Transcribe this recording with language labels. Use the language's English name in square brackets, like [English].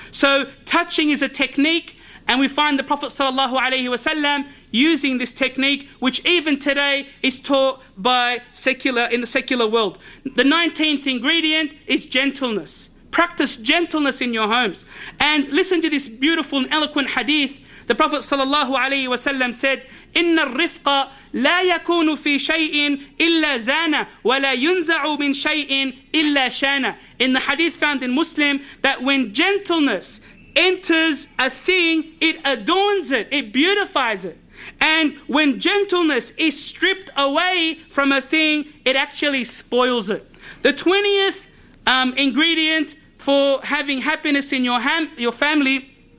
[English] So touching is a technique, and we find the Prophet sallallahu alaihi wasallam using this technique, which even today is taught in the secular world. The 19th ingredient is gentleness. Practice gentleness in your homes. And listen to this beautiful and eloquent hadith. The Prophet sallallahu alaihi wasallam said, [Arabic] إن الرفق لا يكون في شيء إلا زانا ولا ينزع من شيء إلا شانا. [English] In the hadith found in Muslim, that when gentleness enters a thing, it adorns it, it beautifies it. And when gentleness is stripped away from a thing, it actually spoils it. The 20th ingredient for having happiness in your family